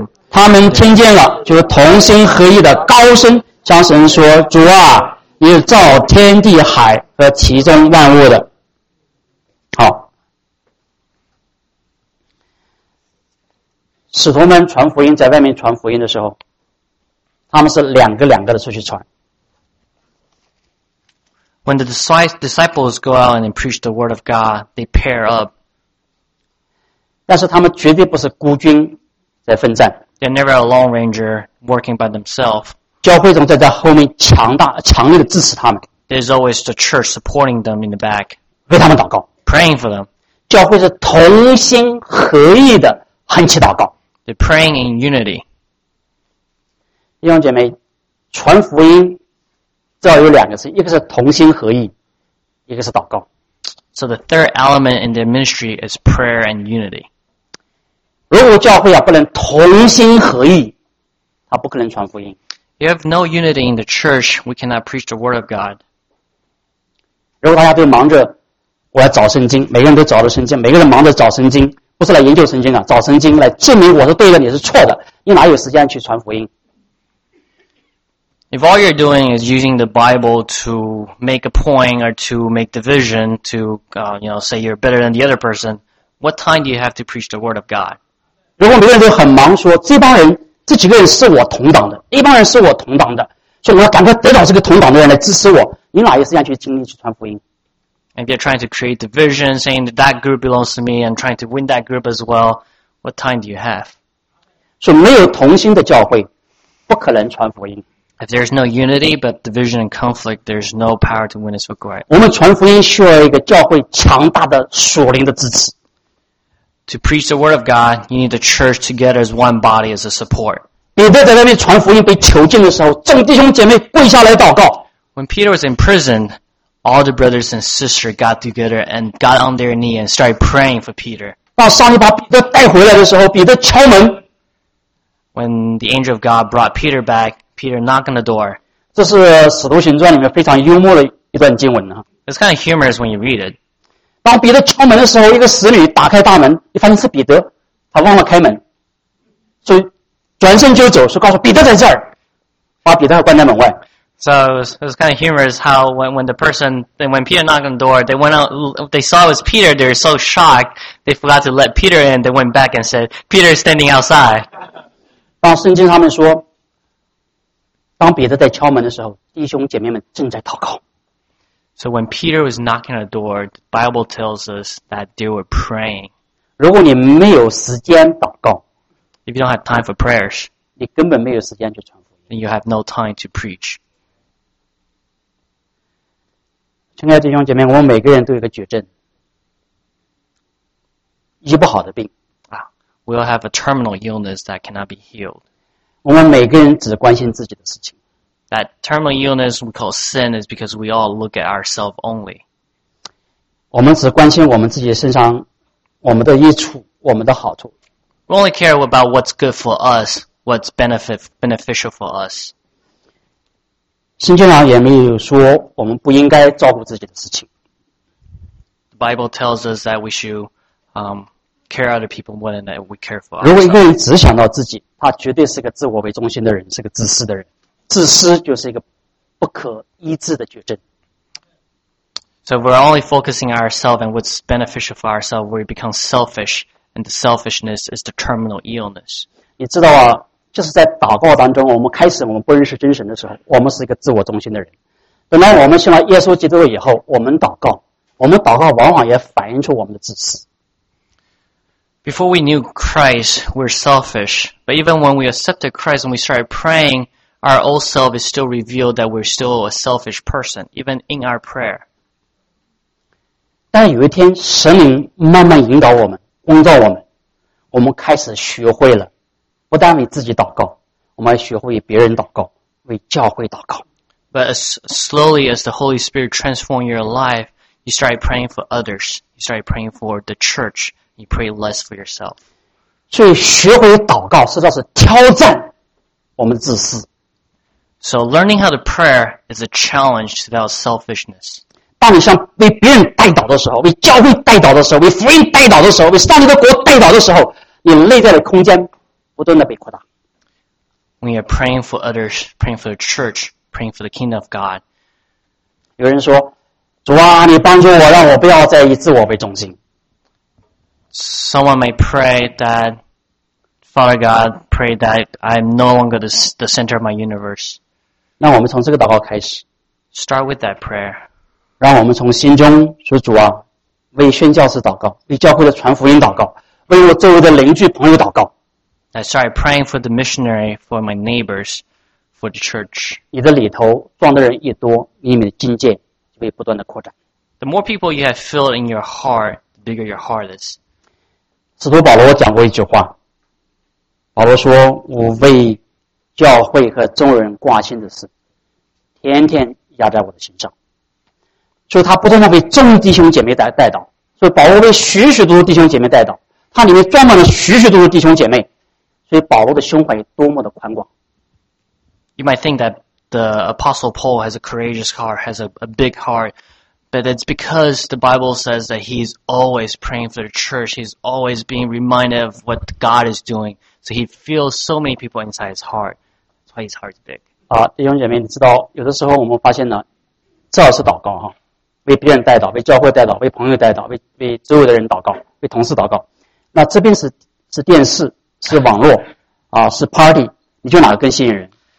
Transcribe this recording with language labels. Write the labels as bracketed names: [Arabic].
[Chinese] 他们听见了，就同心合意的高声向神说：“主啊，你造天地海和其中万物的。” 好，使徒们传福音，在外面传福音的时候，他们是两个两个的出去传。 [English] When the disciples go out and preach the word of God, they pair up. [Chinese] 但是他们绝对不是孤军在奋战。 [English] They're never a lone ranger working by themselves. [Chinese] 教会总在后面强大、强力的支持他们。 [English] There's always the church supporting them in the back. [Chinese] 为他们祷告。 [English] Praying for them. [Chinese] 教会是同心合意的横起祷告。 [English] They're praying in unity. [Chinese] 弟兄姐妹，传福音只要有两个事，一个是同心合意，一个是祷告。 [English] So the third element in their ministry is prayer and unity. [Chinese] 如果教会啊不能同心合意，他不可能传福音。 [English] You have no unity in the church, we cannot preach the word of God. [Chinese] 如果大家都忙着我要找圣经，每个人都找着圣经，每个人忙着找圣经，不是来研究圣经啊，找圣经来证明我是对的，你是错的，你哪有时间去传福音？ [English] If all you're doing is using the Bible to make a point or to make division to, you know, say you're better than the other person, what time do you have to preach the word of God? [Chinese] 如果每个人都很忙说这帮人这几个人是我同党的，一帮人是我同党的，所以我要赶快得到这个同党的人来支持我，你哪有时间去精力去传福音？ [English] And you're trying to create division, saying that that group belongs to me and trying to win that group as well. What time do you have? [Chinese] 所以没有同心的教会不可能传福音。 [English] If there's no unity but division and conflict, there's no power to witness for Christ. [Chinese] 我们传福音需要一个教会强大的属灵的支持。 [English] To preach the word of God, you need the church together as one body as a support. [Chinese] 彼得在那边传福音被囚禁的时候，众弟兄姐妹跪下来祷告。 [English] When Peter was in prison, all the brothers and sisters got together and got on their knee and started praying for Peter. [Chinese] 到上帝把彼得带回来的时候，彼得敲门。 [English] When the angel of God brought Peter back,Peter knocked on the door. [Chinese] 这是《使徒行传》里面非常幽默的一段经文啊。 [English] It's kind of humorous when you read it. [Chinese] 当彼得敲门的时候，一个使女打开大门，一发现是彼得，他忘了开门，所以转身就走，说告诉彼得在这儿，把彼得关在门外。 [English] So it's kind of humorous how when Peter knocked on the door, they went out, they saw it was Peter, they were so shocked, they forgot to let Peter in, they went back and said, Peter is standing outside. [Chinese] 当圣经他们说当彼得在敲门的时候，弟兄姐妹们正在祷告。 [English] So when Peter was knocking on the door, the Bible tells us that they were praying. [Chinese] 如果你没有时间祷告， [English] If you don't have time for prayers, [Chinese] 你根本没有时间去传福音。 [English] Then you have no time to preach. [Chinese] 亲爱的弟兄姐妹，我们每个人都有个绝症，医不好的病。 [English] We'll have a terminal illness that cannot be healed. [Chinese] 我们每个人只关心自己的事情。 [English] That terminal illness we call sin is because we all look at ourselves only. [Chinese] 我们只关心我们自己身上我们的益处我们的好处。 [English] We only care about what's good for us, what's beneficial for us. [Chinese] 新约上也没有说我们不应该照顾自己的事情。 [English] The Bible tells us that we should, care other people more than that we care for ourselves. [Chinese] 如果一个人只想到自己，他绝对是个自我为中心的人，是个自私的人。自私就是一个不可医治的绝症。 [English] So if we're only focusing on ourselves and what's beneficial for ourselves, we become selfish, and the selfishness is the terminal illness. [Chinese] 你知道啊，就是在祷告当中，我们开始我们不认识真神的时候，我们是一个自我中心的人。等到我们信了耶稣基督以后，我们祷告往往也反映出我们的自私。 [English] Before we knew Christ, we're selfish. But even when we accepted Christ and we started praying, our old self is still revealed that we're still a selfish person, even in our prayer. [Chinese] 但有一天，神灵慢慢引导我们，光照我们，我们开始学会了，不但为自己祷告，我们还学会为别人祷告，为教会祷告。 [English] But as slowly as the Holy Spirit transforms your life, you start praying for others. You start praying for the church. You pray less for yourself. [Chinese] 所以学会祷告实际上是挑战我们的自私。 [English] So learning how to pray is a challenge to our selfishness. [Chinese] 当你像为别人代祷的时候，为教会代祷的时候，为福音代祷的时候，为上帝的国代祷的时候，你内在的空间不断的被扩大。 [English] When you're praying for others, praying for the church, praying for the kingdom of God. [Chinese] 有人说，主啊，你帮助我，让我不要再以自我为中心。 [English] Someone may pray that, Father God, pray that I'm no longer the center of my universe. [Chinese] 让我们从这个祷告开始。 [English] Start with that prayer. [Chinese] 让我们从心中说，主啊，为宣教士祷告，为教会的传福音祷告，为我周围的邻居朋友祷告。 [English] I start praying for the missionary, for my neighbors, for the church. [Chinese] 你的里头装的人越多，你里面的境界就会不断的扩展。 [English] The more people you have filled in your heart, the bigger your heart is. [Chinese] 使徒保罗讲过一句话，保罗说，我为教会和众人挂心的事天天压在我的心上。所以他不断地为众弟兄姐妹代祷，所以保罗为许许多多弟兄姐妹代祷，他里面装满了许许多多弟兄姐妹，所以保罗的胸怀多么的宽广。 [English] You might think that the Apostle Paul has a courageous heart, has a big heartBut it's because the Bible says that he's always praying for the church. He's always being reminded of what God is doing. So he feels so many people inside his heart. That's why his heart is big. [Chinese] 弟兄姐妹，你知道，有的时候我们发现呢，至少是祷告哈，为别人代祷，为教会代祷，为朋友代祷，为周围的人祷告，为同事祷告。那这边是电视，是网络，是 party， 你就哪个更吸引人